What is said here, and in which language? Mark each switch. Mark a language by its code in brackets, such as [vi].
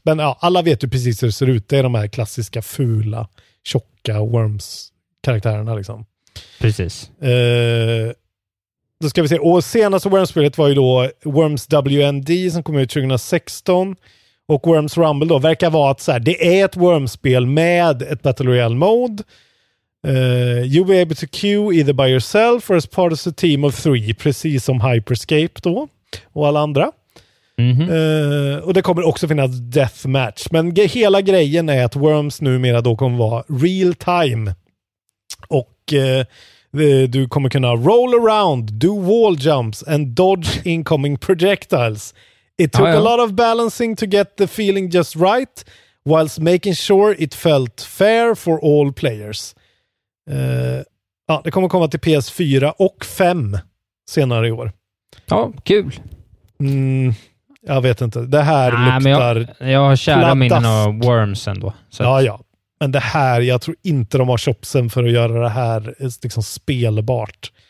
[sv] Men alla vet ju precis hur det ser ut. Det är de här klassiska, fula, tjocka Worms-karaktärerna liksom. Precis. Då ska vi se. Och senaste Worms-spelet var ju då Worms WMD som kom ut 2016. Och Worms Rumble då verkar vara att så här, det är ett Worms-spel med ett Battle Royale-mode. [en] You'll be able to queue either by yourself or as part of a team of 3. [sv] Precis som Hyperscape då. Och alla andra. Mm-hmm. Och det kommer också finnas Deathmatch. Men hela grejen är att Worms numera då kommer vara real-time. Och du kommer kunna [en] roll around, do wall jumps and dodge incoming projectiles. It took a lot of balancing to get the feeling just right whilst making sure it felt fair for all players. [sv] Det kommer komma till PS4 och 5 senare i år. Ja, kul. Mm, jag vet inte. Det här luktar... Jag har kära minnen av Worms ändå. Så. Ja. Men det här, jag tror inte de har chopsen för att göra det här liksom spelbart.